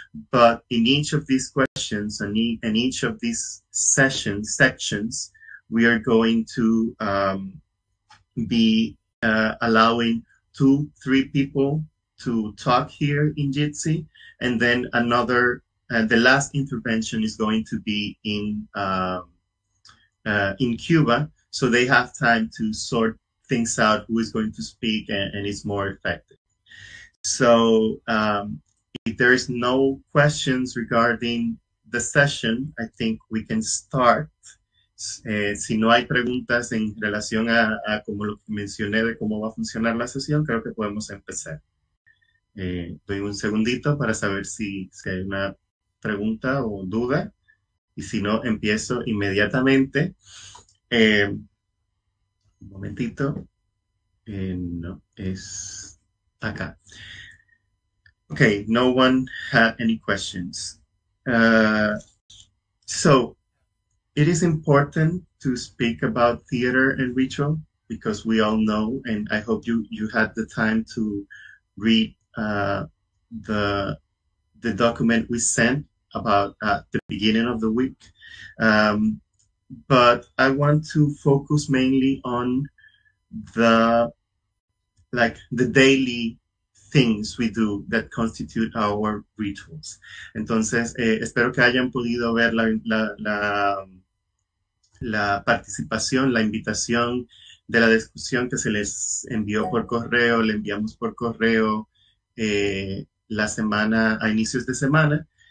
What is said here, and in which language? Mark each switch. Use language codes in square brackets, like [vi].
[en] But in each of these questions and in each of these sections, we are going to be allowing 2-3 people to talk here in Jitsi, and then another, the last intervention is going to be in Cuba. So they have time to sort things out, who is going to speak and is more effective. So if there is no questions regarding the session, I think we can start. [es] Si no hay preguntas en relación a como lo que mencioné de cómo va a funcionar la sesión, creo que podemos empezar. Doy un segundito para saber si hay una pregunta o duda. Y si no, empiezo inmediatamente. Un momentito, no, es acá. [en] Okay, no one had any questions. So, it is important to speak about theater and ritual because we all know, and I hope you had the time to read the document we sent about at the beginning of the week. But I want to focus mainly on the daily things we do that constitute our rituals. [es] Entonces, espero que hayan podido ver la participación, la invitación de la discusión que se les envió por correo, le enviamos por correo la semana, a inicios de semana.